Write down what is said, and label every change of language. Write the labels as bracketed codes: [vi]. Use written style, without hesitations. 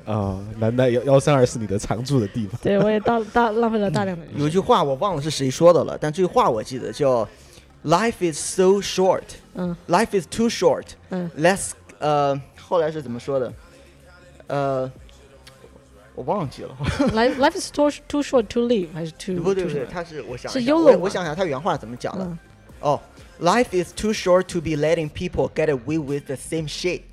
[zh] 啊。难道1324是你的常住的地方？对，我也浪费了大量的人生。有句话我忘了是谁说的了，但这句话我记得叫 [en] "Life is so short,、Life is too short,、Let's [zh] 后来是怎么说的？我忘记了。 [en] Life is too short to live [zh] 还是 [en] too [zh] 不对不对，他是我想是 YOLO， 我想想他原话怎么讲的。 [en] Life is too short to be letting people get away with the same shit